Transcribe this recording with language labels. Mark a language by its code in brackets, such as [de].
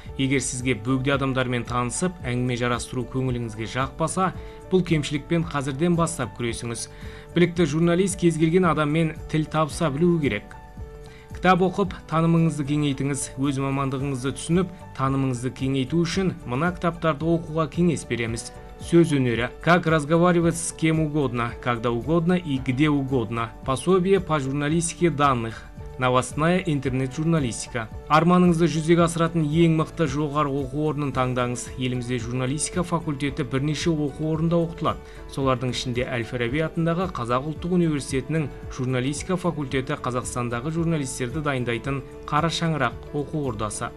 [kk] Егер сізге бөгде адамдармен танысып, әңгіме жарастыру көңіліңізге жақпаса, бұл кемшілікпен қазірден бастап күресіңіз. Білікті журналист кез келген адаммен тіл табыса білуі керек. Кітап оқып, танымыңызды кеңейтіңіз. Өз мамандығыңызды түсініп, танымыңызды кеңейту үшін мына кітаптарды оқуға кеңес береміз. Сөз өнері. [ru] Как разговаривать с кем угодно, когда угодно и где угодно. Пособие по журналистике данных. Новостная интернет-журналистика. [kk] Арманыңызды жүзеге асыратын ең мықты жоғары оқу орнын таңдаңыз. Елімізде журналистика факультеті бірнеше оқу орында оқытылады. Солардың ішінде Әл-Фараби атындағы Қазақ ұлттық университетінің журналистика факультеті Қазақстандағы журналистерді дайындайтын қара шаңырақ оқу ордасы.